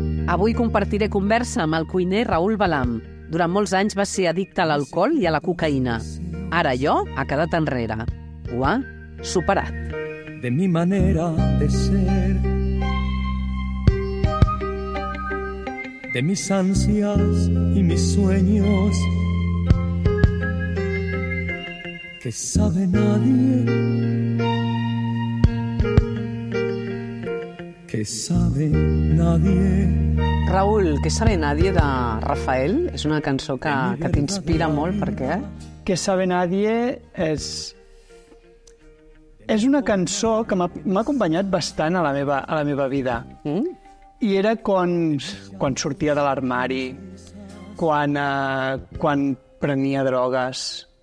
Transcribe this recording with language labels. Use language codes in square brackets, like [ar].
[ca] Avui compartiré conversa amb el cuiner Raül Balam. Durant molts anys va ser addicte a l'alcohol i a la cocaïna. Ara jo ha quedat enrere. Ho ha superat. [es] De mi manera de ser, de mis ansias y mis sueños, que sabe nadie, que sabe nadie. [ca] Raül, Que sabe nadie, de Rafael, és una cançó que t'inspira molt. Per què? Que sabe nadie és una cançó que m'ha acompanyat bastant a la meva vida. I era quan sortia de l'armari, quan prenia drogues.